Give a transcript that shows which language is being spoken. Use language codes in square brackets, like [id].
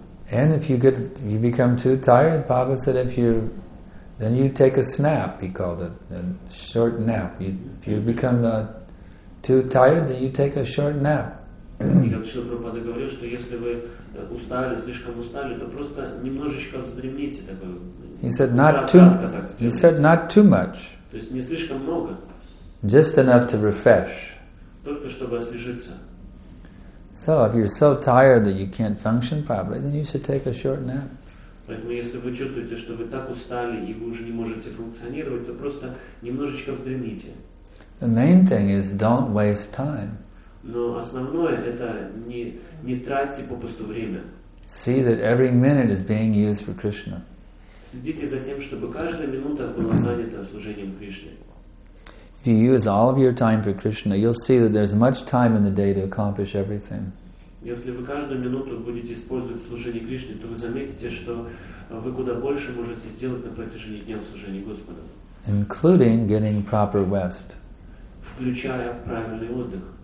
[en] And if you get, you become too tired, Prabhupada said, then you take a snap, he called it, a short nap. If you become too tired, then you take a short nap. [ru] И как Шрила Прабхупада говорил, что если вы устали, слишком устали, то просто немножечко вздремните такой. [en] He said not too much. [ru] То есть не слишком много. [en] Just enough to refresh. [ru] Только чтобы освежиться. [en] So if you're so tired that you can't function properly, then you should take a short nap. [ru] Поэтому если вы чувствуете, что вы так устали и вы уже не можете функционировать, то просто немножечко вздремните. [en] The main thing is don't waste time. [ru] Но основное это не тратьте попусту время. [en] See that every minute is being used for Krishna. [ru] Следите за тем, чтобы каждая минута была занята служением Кришне. [en] If you use all of your time for Krishna, you'll see that there's much time in the day to accomplish everything. [ru] Если вы каждую минуту будете использовать служение Кришне, то вы заметите, что вы куда больше можете сделать на протяжении дня в служении Господа. [en] Including getting proper rest. [ru] Включая правильный отдых.